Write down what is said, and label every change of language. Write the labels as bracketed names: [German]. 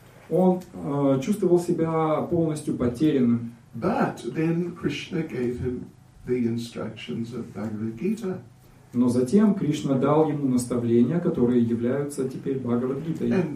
[Russian] Он чувствовал себя полностью потерянным. [English] But then Krishna gave him the instructions of Bhagavad Gita. [Russian] Но затем Кришна дал ему наставления, которые являются теперь Бхагавад-гитой.